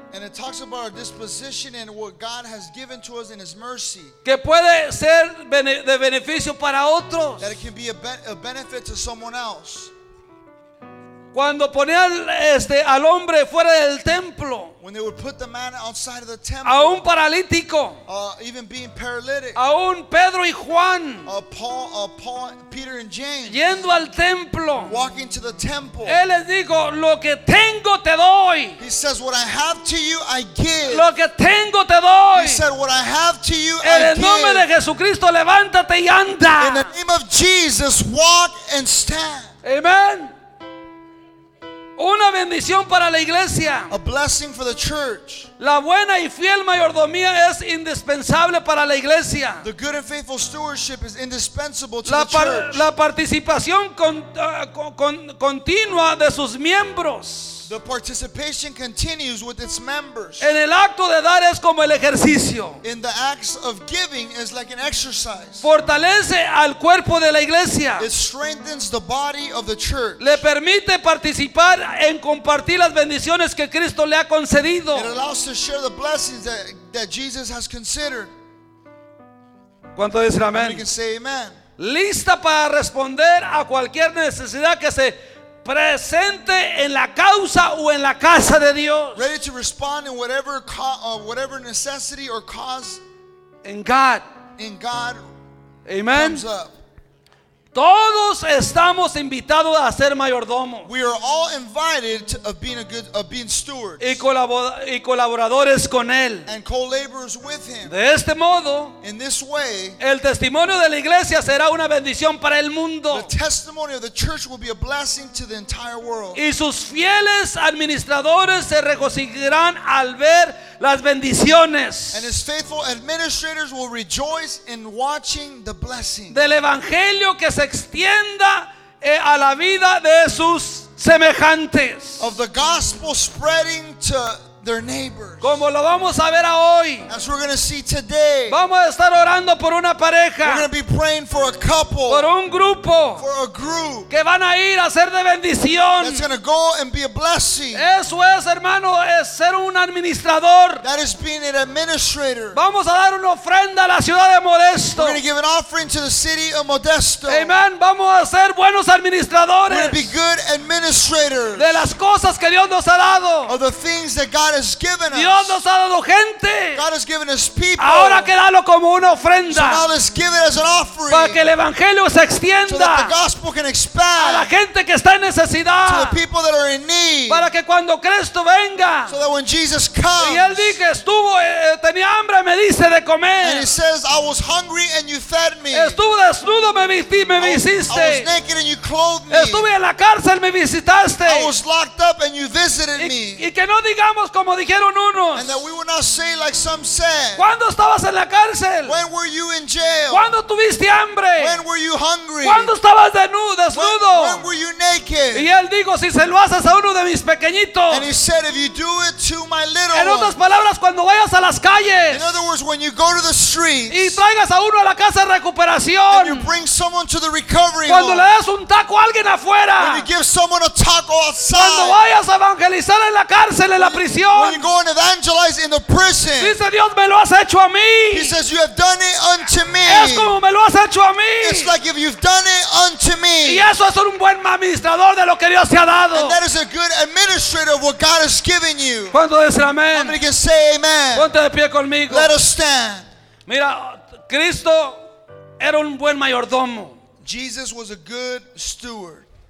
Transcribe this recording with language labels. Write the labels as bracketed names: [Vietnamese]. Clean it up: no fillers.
[English] And it talks about our disposition and what God has given to us in His mercy. [Spanish] Que puede ser de beneficio para otros. [English] That it can be a benefit to someone else. [Spanish] Cuando ponían al hombre fuera del templo, [English] when they would put the man outside of the temple, [Spanish] a un paralítico, [English] even being paralytic, [Spanish] a un Pedro y Juan, [English] Paul, Peter and James, [Spanish] yendo al templo, [English] walking to the temple, [Spanish] él les dijo, lo que tengo te doy. [English] He says, what I have to you, I give. [Spanish] Lo que tengo te doy. [English] He said, what I have to you, en I give. [Spanish] En el nombre de Jesucristo, levántate y anda. [English] In the name of Jesus, walk and stand. Amen. [Spanish] Una bendición para la iglesia. [English] A blessing for the church. [Spanish] La buena y fiel mayordomía es indispensable para la iglesia. [English] The good and faithful stewardship is indispensable to the church. [Spanish] La participación continua de sus miembros. [English] The participation continues with its members. [Spanish] En el acto de dar es como el ejercicio. [English] In the acts of giving is like an exercise. [Spanish] Fortalece al cuerpo de la iglesia. [English] It strengthens the body of the church. [Spanish] Le permite participar en compartir las bendiciones que Cristo le ha concedido. [English] It allows to share the blessings that Jesus has considered. [Spanish] ¿Cuánto dice amén? [English] You can say amen. [Spanish] Lista para responder a cualquier necesidad que se presente en la causa o en la casa de Dios. [English] Ready to respond in whatever whatever necessity or cause. In God. In God. Amen. Comes up. [Spanish] Todos estamos invitados a ser mayordomos. [English] We are all invited to of being stewards. [Spanish] Y colaboradores con él. [English] And co-laborers with him. [Spanish] De este modo, [English] in this way, [Spanish] el testimonio de la iglesia será una bendición para el mundo. [English] The testimony of the church will be a blessing to the entire world. [Spanish] Y sus fieles administradores se regocijarán al ver las bendiciones. [English] And his faithful administrators will rejoice in watching the blessing. [Spanish] Del evangelio que se extienda a la vida de sus semejantes. [English] Of the gospel spreading to their neighbors. [Spanish] Como lo vamos a ver hoy. [English] As we're going to see today. [Spanish] Vamos a estar orando por una pareja. [English] We're going to be praying for a couple. [Spanish] Por un grupo. [English] For a group. [Spanish] Que van a ir a ser de bendición. [English] That's going to go and be a blessing. [Spanish] Eso es, hermano, es ser un administrador. [English] That is being an administrator. [Spanish] Vamos a dar una ofrenda a la ciudad de Modesto. [English] We're going to give an offering to the city of Modesto. [Spanish] Amen. Vamos a ser buenos administradores. [English] We're going to be good administrators. [Spanish] De las cosas que Dios nos ha dado. [English] Of the things that God has given us. [Spanish] Dios nos ha dado gente. [English] God has given us people. [Spanish] Ahora que dalo como una ofrenda. [English] So now let's give it as an offering. [Spanish] Para que el evangelio se extienda. [English] So that the gospel can expand. [Spanish] A la gente que está en necesidad. [English] To the people that are in need. [Spanish] Para que cuando Cristo venga. [English] So that when Jesus comes. [Spanish] Y él dice que estuvo tenía hambre, me dice de comer. [English] And he says, I was hungry and you fed me. [Spanish] Estuvo desnudo, me hiciste. [English] I was naked and you clothed me. [Spanish] Estuve en la cárcel, me visitaste. [English] I was locked up and you visited me. [Spanish] Y que no digamos como dijeron unos. [English] And that we would not say like some said. [Spanish] ¿Cuándo estabas en la cárcel? [English] When were you in jail? [Spanish] ¿Cuándo tuviste hambre? [English] When were you hungry? [Spanish] ¿Cuándo estabas desnudo? [English] When were you naked? [Spanish] Y él dijo, si se lo haces a uno de mis pequeñitos. [English] And he said, if you do it to my little. [Spanish] En otras palabras, cuando vayas a las calles. [English] In other words, when you go to the streets. [Spanish] Y traigas a uno a la casa de recuperación. [English] And you bring someone to the recovery. [Spanish] Cuando le das un taco a alguien afuera. [English] When you give someone a taco outside. [Spanish] Cuando vayas a evangelizar en la cárcel, en la prisión. [English] When you go and evangelize in the prison. [Spanish] Dice, Dios, me lo has hecho a mí. [English] He says, you have done it unto me. [Spanish] Es como me lo has hecho a mí. [English] It's like if you've done it unto me. [Spanish] Y eso es un buen administrador de lo que Dios te ha dado. [English] And that is a good administrator of what God has given you. [Spanish] ¿Cuánto dice amén? [English] How many can say amen? [Spanish] Ponte de pie conmigo. [English] Let us stand. [Spanish] Mira, Cristo era un buen mayordomo. [English] Jesus was a good steward.